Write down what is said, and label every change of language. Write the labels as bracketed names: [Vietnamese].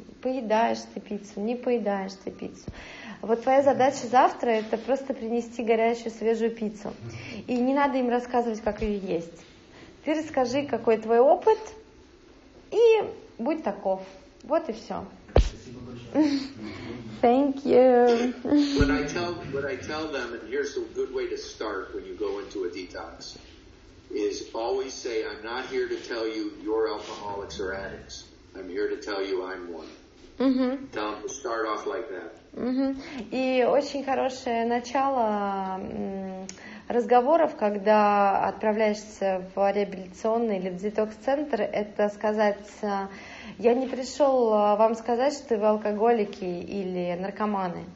[Russian] Поедаешь ты пиццу, не поедаешь ты пиццу. Вот твоя задача завтра – это просто принести горячую, свежую пиццу. И не надо им рассказывать, как ее есть. Ты расскажи, какой твой опыт, и будь таков. Вот и все. [English] Thank you. When I tell them, and here's a good way to start when you go into a detox, is always say, I'm not here to tell you you're alcoholics or addicts. I'm here to tell you I'm one. Tell them to start off like that. [Russian] И очень хорошее начало разговоров, когда отправляешься в реабилитационный или в детокс-центр, это сказать... Я не пришел вам сказать, что вы алкоголики или наркоманы.